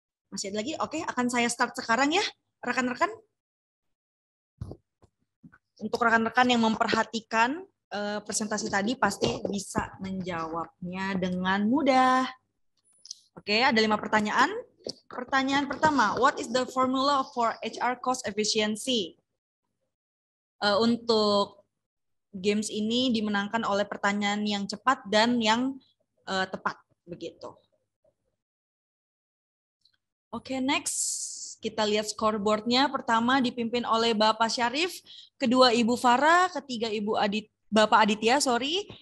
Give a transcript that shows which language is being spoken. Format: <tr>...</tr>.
<id>Masih ada lagi? Oke, akan saya start sekarang ya, rekan-rekan. Untuk rekan-rekan yang memperhatikan presentasi tadi, pasti bisa menjawabnya dengan mudah. Oke, ada 5 pertanyaan. Pertanyaan pertama,</id> <en>what is the formula for HR cost efficiency?</en> <id>Untuk games ini dimenangkan oleh pertanyaan yang cepat dan yang tepat, begitu. Oke, next. Kita lihat scoreboardnya. Pertama dipimpin oleh Bapak Syarif, kedua Ibu Farah, ketiga Ibu Adit, Bapak Aditya, sorry.</id>